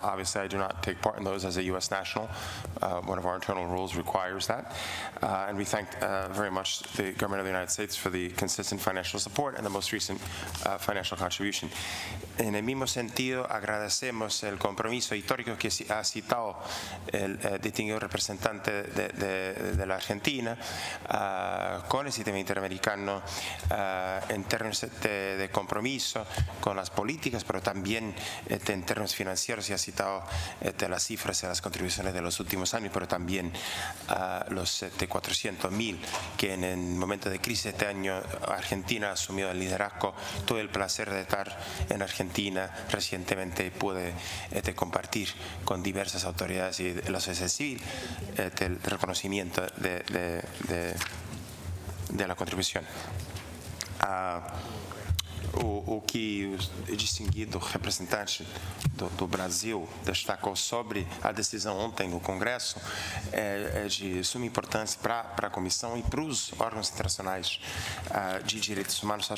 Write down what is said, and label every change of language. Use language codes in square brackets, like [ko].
[en] Obviously, I do not take part in those as a U.S. national. One of our internal rules requires that. And we thank very much the government of the United States for the consistent financial support and the most recent financial contribution. [es] En el mismo sentido, agradecemos el compromiso histórico que ha citado el distinguido representante de la Argentina con el sistema interamericano en términos de compromiso con las políticas, pero también en términos financieros, y ha citado las cifras y las contribuciones de los últimos años, pero también los 400.000 que en el momento de crisis este año Argentina ha asumido el liderazgo. Tuve el placer de estar en Argentina recientemente y pude compartir con diversas autoridades y la sociedad civil el reconocimiento de la contribución. [pt] O que o distinguido representante do Brasil destacou sobre a decisão ontem no Congresso é de suma importância para a Comissão e para os órgãos internacionais de direitos humanos.